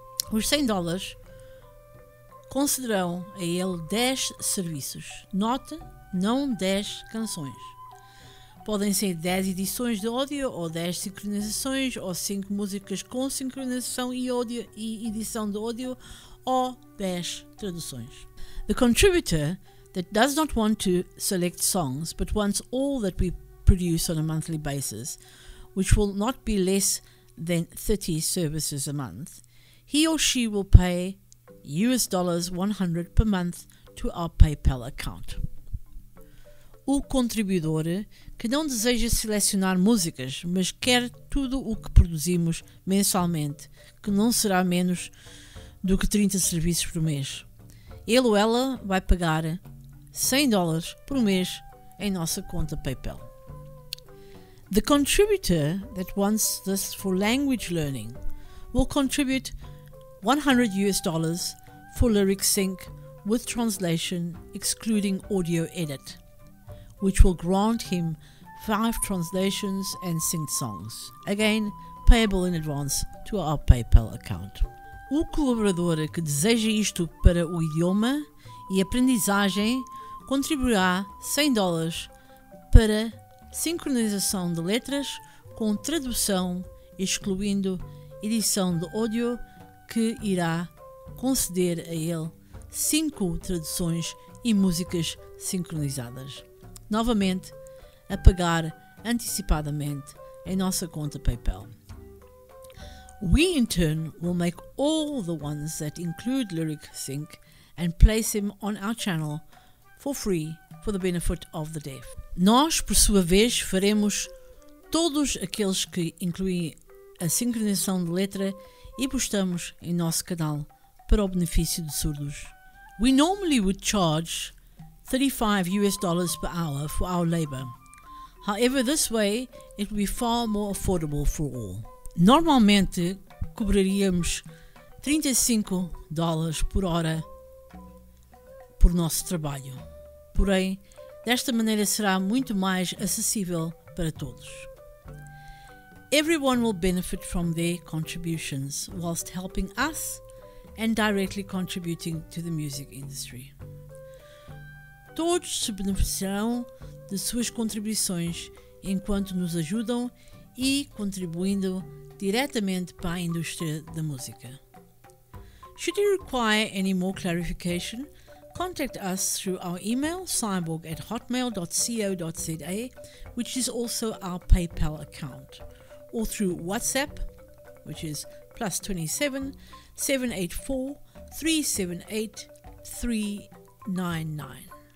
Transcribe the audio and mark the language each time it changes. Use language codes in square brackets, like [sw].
[pt] Os $100 concederão a ele 10 serviços. Note, não 10 canções. Podem ser 10 edições de áudio ou 10 sincronizações ou 5 músicas com sincronização e áudio e edição de áudio ou 10 traduções. [en] The contributor that does not want to select songs but wants all that we produce on a monthly basis, which will not be less than 30 services a month, he or she will pay US$100 per month to our PayPal account. [pt] O contribuidor que não deseja selecionar músicas, mas quer tudo o que produzimos mensalmente, que não será menos do que 30 serviços por mês. Ele ou ela vai pagar $100 por mês em nossa conta PayPal. [en] The contributor that wants this for language learning will contribute $100 for lyric sync with translation excluding audio edit, which will grant him 5 translations and synced songs, again payable in advance to our PayPal account. [pt] O colaborador que deseja isto para o idioma e aprendizagem contribuirá $100 para sincronização de letras com tradução, excluindo edição de áudio, que irá conceder a ele 5 traduções e músicas sincronizadas. Novamente, a pagar antecipadamente em nossa conta PayPal. [en] We in turn will make all the ones that include lyric sync and place them on our channel for free for the benefit of the deaf. [pt] Nós, por sua vez, faremos todos aqueles que incluem a sincronização de letra e postamos em nosso canal para o benefício de surdos. [en] We normally would charge $35 per hour for our labor. However, this way it will be far more affordable for all. [pt] Normalmente cobraríamos $35 por hora por nosso trabalho. Porém, Desta maneira será muito mais acessível para todos. [en] Everyone will benefit from their contributions whilst helping us and directly contributing to the music industry. [pt] Todos se beneficiarão de suas contribuições enquanto nos ajudam e contribuindo diretamente para a indústria da música. [en] Should you require any more clarification, contact us through our email cyborg@hotmail.co.za, which is also our PayPal account, or through WhatsApp, which is +27 784 378 399.